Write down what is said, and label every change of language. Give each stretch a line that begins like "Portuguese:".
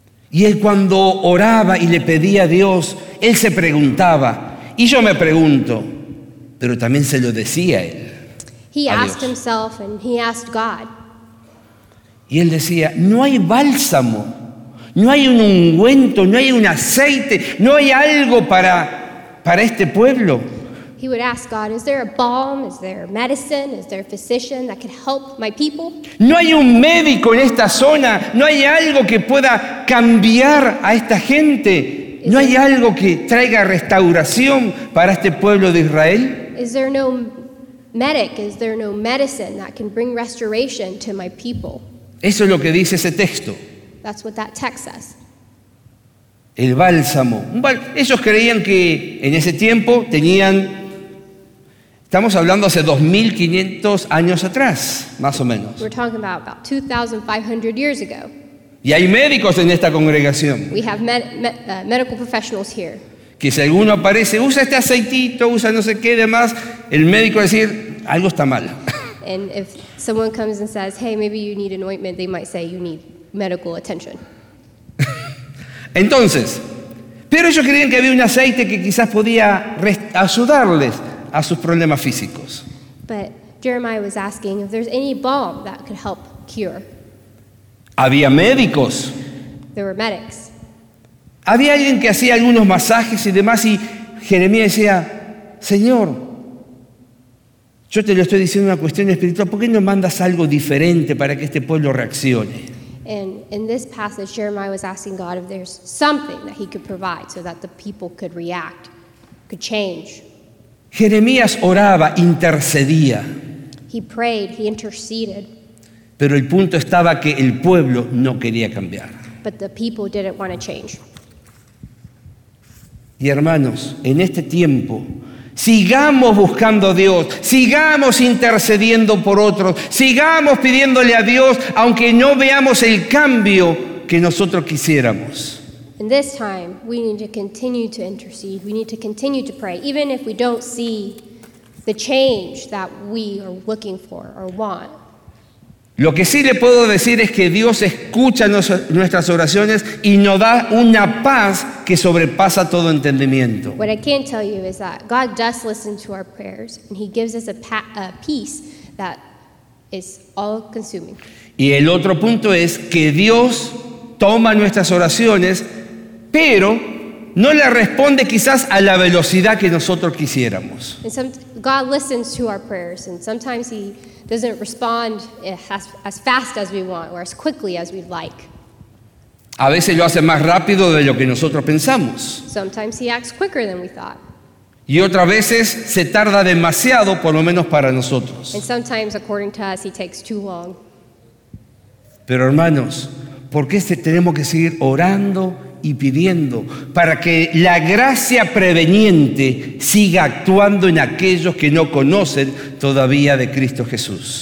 Spanish: Y él cuando oraba y le pedía a Dios, él se preguntaba, y yo me pregunto, pero también se lo decía a él.
English: He asked himself and he asked God.
Spanish: Y él decía, no hay bálsamo, no hay un ungüento, no hay un aceite, no hay algo para este pueblo.
English: He would ask God, is there a balm, is there medicine, is there a physician that could help my people?
Spanish: No hay un médico en esta zona, no hay algo que pueda cambiar a esta gente. No hay algo que traiga restauración para este pueblo de Israel.
English: Is there no medic, is there no medicine that can bring restoration to my people?
Spanish: Eso es lo que dice ese texto.
English: That's what that text says.
Spanish: El bálsamo. Ellos creían que en ese tiempo tenían, estamos hablando hace 2500 años atrás, más o menos.
English: We're talking about 2500 years ago.
Spanish: Y hay médicos en esta congregación.
English: We have medical professionals here.
Spanish: Que si alguno aparece, usa este aceitito, usa no sé qué demás, el médico va a decir, algo está mal.
English: And if someone comes and says, hey, maybe you need an ointment, they might say you need medical attention.
Spanish: Entonces, pero ellos creían que había un aceite que quizás podía ayudarles a sus problemas físicos.
English: But Jeremiah was asking if there's any balm that could help cure.
Spanish: Había médicos.
English: There were medics.
Spanish: Había alguien que hacía algunos masajes y demás, y Jeremías decía, Señor, yo te lo estoy diciendo una cuestión espiritual, ¿por qué no mandas algo diferente para que este pueblo reaccione?
English: And in this passage, Jeremiah was asking God if there's something that he could provide so that the people could react, could change.
Spanish: Jeremías oraba, intercedía.
English: He prayed, he interceded.
Spanish: Pero el punto estaba que el pueblo no quería cambiar.
English: But the people didn't want to change.
Spanish: Y hermanos, en este tiempo, sigamos buscando a Dios, sigamos intercediendo por otros, sigamos pidiéndole a Dios, aunque no veamos el cambio que nosotros quisiéramos.
English: In this time, we need to continue to intercede, we need to continue to pray, even if we don't see the change that we are looking for or want.
Spanish: Lo que sí le puedo decir es que Dios escucha nuestras oraciones y nos da una paz que sobrepasa todo entendimiento.
English: What I can tell you is that God does listen to our prayers and he gives us a peace that is all consuming.
Spanish: Y el otro punto es que Dios toma nuestras oraciones, pero no le responde quizás a la velocidad que nosotros quisiéramos.
English: And God listens to our prayers and sometimes he doesn't respond as fast as we want or as quickly as we'd like.
Spanish: A veces lo hace más rápido de lo que nosotros pensamos.
English: Sometimes he acts quicker than we thought.
Spanish: Y otras veces se tarda demasiado, por lo menos para nosotros.
English: And sometimes, according to us, he takes too long.
Spanish: Pero hermanos, ¿por qué tenemos que seguir orando y pidiendo para que la gracia preveniente siga actuando en aquellos que no conocen todavía de Cristo Jesús.